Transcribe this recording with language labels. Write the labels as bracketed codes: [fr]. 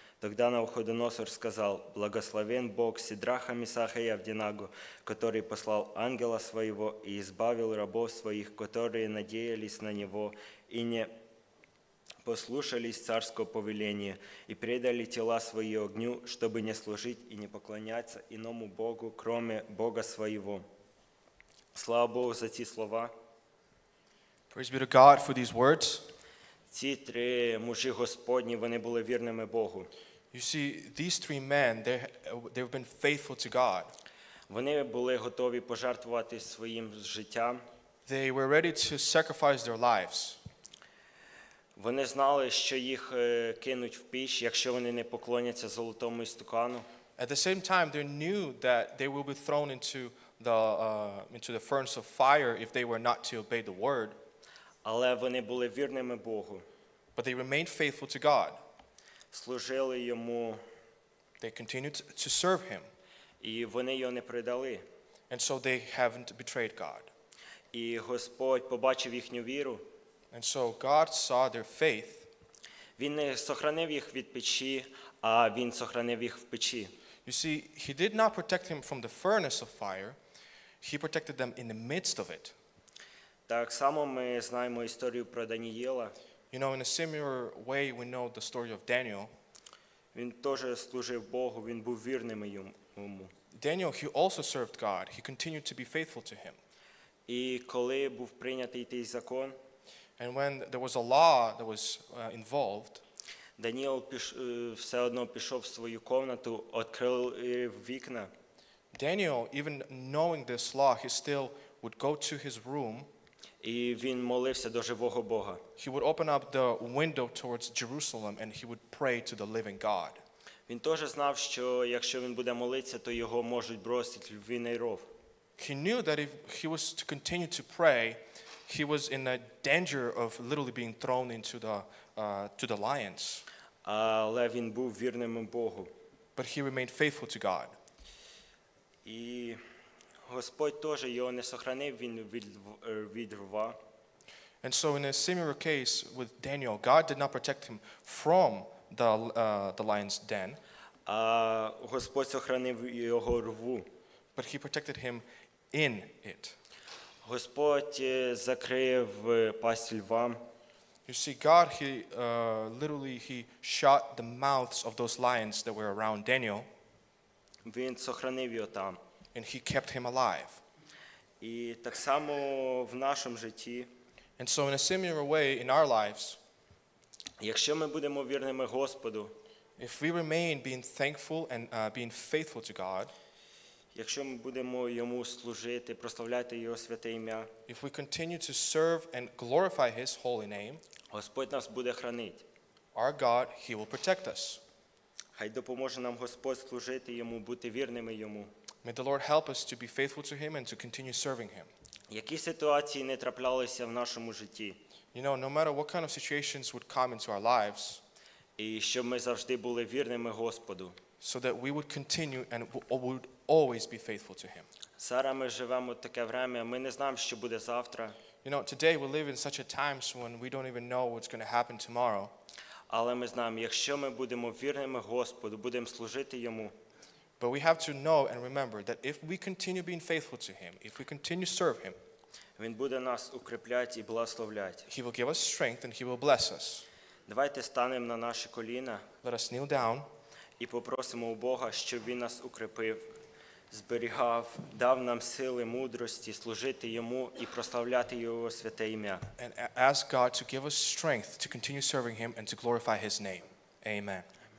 [ru] Тогда Навуходоносор сказал, «Благословен Бог Сидраха, Месаха и Авдинаго, который послал ангела своего и избавил рабов своих, которые надеялись на него и не послушались царского повеления и предали тела свои огню, чтобы не служить и не поклоняться иному Богу, кроме Бога своего». Слава Богу за эти слова. [en] Praise be to God for these words. [uk] Ці три мужі Господні, вони були вірними Богу. [en] You see, these three men, they've been faithful to God. [uk] Вони були готові пожертвувати своїм життям. [en] They were ready to sacrifice their lives. [uk] Вони знали, що їх кинуть в піч, якщо вони не поклоняться золотому істукану. [en] At the same time, they knew that they will be thrown into the furnace of fire if they were not to obey the word. [uk] Але вони були вірними Богу. [en] But they remained faithful to God. [uk] Служили йому. [en] They continued to serve him. [uk] І вони його не предали. [en] And so they haven't betrayed God. [uk] І Господь побачив їхню віру. [en] And so God saw their faith. [uk] Він не сохранив їх від печі, а він сохранив їх в печі. [en] You see, he did not protect him from the furnace of fire. He protected them in the midst of it. [uk] Так само ми знаємо історію про Даниїла. [en] You know, in a similar way, we know the story of Daniel. [uk] Він теж служив Богу, він був вірним йому. [en] Daniel, he also served God. He continued to be faithful to him. [uk] І коли був прийнятий той закон, [en] and when there was a law that was involved, [uk] Даниїл все одно пішов в свою кімнату, відкрив вікна. [en] Daniel, even knowing this law, he still would go to his room. [uk] І він молився до живого Бога. [en] He would open up the window towards Jerusalem and he would pray to the living God. [uk] Він теж знав, що якщо він буде молитися, то його можуть бросити в львиний ров. [en] He knew that if he was to continue to pray, he was in a danger of literally being thrown into the lions. [uk] Але він був вірним Богу. [en] But he remained faithful to God. [uk] І Господь теж його не сохранив, він від рва. [en] And so in a similar case with Daniel, God did not protect him from the lion's den. [uk] А Господь сохранив його рву. [en] but he protected him in it. [uk] Господь закрив пасть львам. [en] You see, God, he literally he shut the mouths of those lions that were around Daniel. [uk] Він сохранив його там. [en] And he kept him alive. [uk] І так само в нашому житті. [en] And so in a similar way in our lives, [uk] якщо ми будемо вірними Господу, [en] if we remain being thankful and being faithful to God, [uk] якщо ми будемо йому служити, прославляти його святе ім'я, [en] if we continue to serve and glorify his holy name, [uk] Господь нас буде хранити. [en] Our God, he will protect us. [uk] Хай допоможе нам Господь служити йому, бути вірними йому. [en] May the Lord help us to be faithful to him and to continue serving him. [uk] Які ситуації не траплялися в нашому житті? [en] You know, no matter what kind of situations would come into our lives, [uk] і щоб ми завжди були вірними Господу, [en] so that we would continue and would always be faithful to him. [uk] Зараз ми живемо таке время, ми не знаємо, що буде завтра. [en] You know, today we live in such a time when we don't even know what's going to happen tomorrow. [uk] Але ми знаємо, якщо ми будемо вірними Господу, будемо служити йому. [en] But we have to know and remember that if we continue being faithful to him, if we continue to serve him, [uk] він буде нас укріплять і благословлять. [en] He will give us strength and he will bless us. [uk] Давайте станемо на наші коліна. [en] Let us kneel down. [uk] І попросимо у Бога, щоб він нас укріпив, зберігав, дав нам сили, мудрості служити йому і прославляти його святе ім'я. [en] And ask God to give us strength to continue serving him and to glorify his name. Amen.